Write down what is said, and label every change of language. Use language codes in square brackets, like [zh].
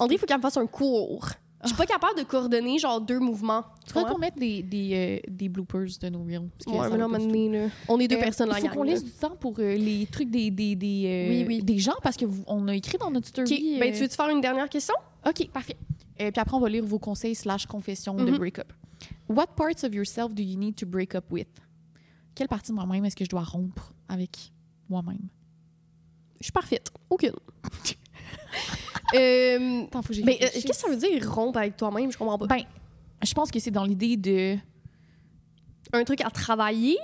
[fr] André, il faut qu'elle me fasse un cours. Je suis pas capable de coordonner genre deux mouvements. Tu crois qu'on mette des bloopers de nos reels? Ouais, mais là, on est deux personnes là-dedans. Il faut qu'on laisse du temps pour les trucs des gens parce qu'on a écrit dans notre story. Okay. Ben, tu veux-tu faire une dernière question? OK, parfait. Puis après, on va lire vos conseils/confessions de break-up. [en] What parts of yourself do you need to break up with? [fr] Quelle partie de moi-même est-ce que je dois rompre avec moi-même? Je suis parfaite. Aucune. Attends, faut que j'ai réfléchi. Qu'est-ce que ça veut dire, rompre avec toi-même? Je comprends pas. Ben, je pense que c'est dans l'idée de... Un truc à travailler?